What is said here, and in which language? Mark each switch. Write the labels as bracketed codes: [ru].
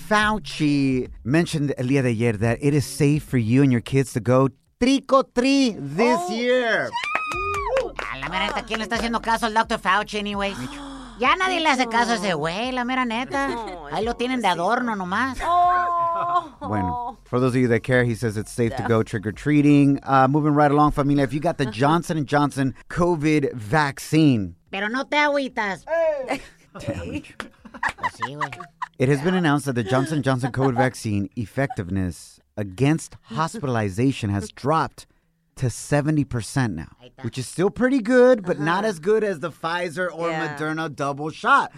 [en] Fauci mentioned [es] el día de ayer [en] that it is safe for you and your kids to go trick-or-treat this year. [es] A la mera, ¿quién le está haciendo caso al Dr. Fauci, [en] anyway? [es] Ya nadie le hace caso a ese güey, la mera neta. Ahí lo tienen de adorno nomás. [en] Bueno, for those of you that care, he says it's safe to go trick-or-treating. Moving right along, familia, if you got the Johnson & Johnson COVID vaccine. [es] Pero no te agüitas. [en] Damn. It has been announced that the Johnson & Johnson COVID vaccine effectiveness against hospitalization has dropped to 70% now, which is still pretty good, but not as good as the Pfizer or Moderna double shot.